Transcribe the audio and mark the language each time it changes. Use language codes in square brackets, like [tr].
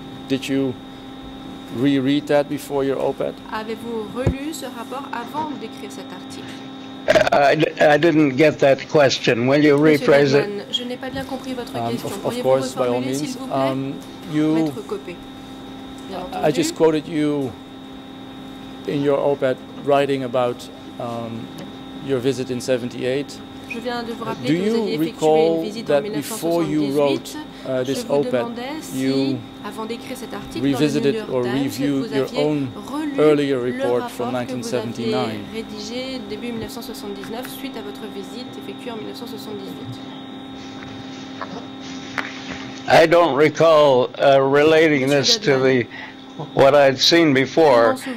[en] Did you reread that before your op-ed? [fr] Avez-vous relu ce rapport avant d'écrire cet article? [en] I didn't get that question. Will you rephrase it? [fr] Je n'ai pas bien compris votre question. [en] Of course, by all means. I just quoted you in your op-ed writing about your visit in 78. Do you recall that before you wrote this op-ed, you revisited or reviewed your own earlier report from 1979? [fr] Rédigé début 1979 suite à votre visite effectuée en 1978. [en] I don't recall relating this to the what I'd seen before.